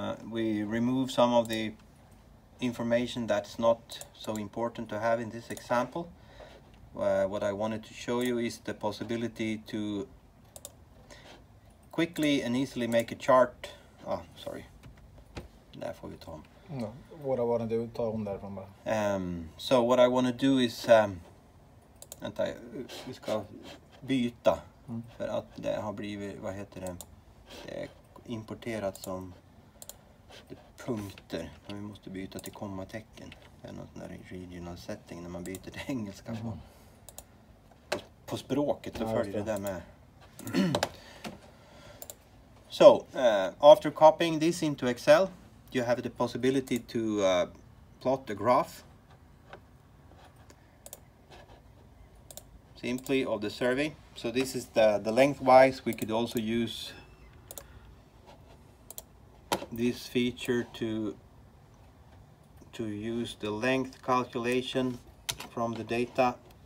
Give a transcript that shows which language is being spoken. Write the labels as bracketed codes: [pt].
[en] We remove some of the information that's not so important to have in this example. What I wanted to show you is the possibility to quickly and easily make a chart. Oh, sorry. [sv] där får vi ta dem. Vad jag vill ta dem därifrån bara. [en] So what I want to do is [sv] vänta, vi ska byta för att det har blivit, vad heter det? Det är importerat som punkter, men vi måste byta till kommatecken. Det är något där regional setting när man byter till engelska på språket, så följer det där med. [en] So, after copying this into Excel, you have the possibility to plot the graph simply of the survey. So this is the lengthwise. We could also use this feature to use the length calculation from the data.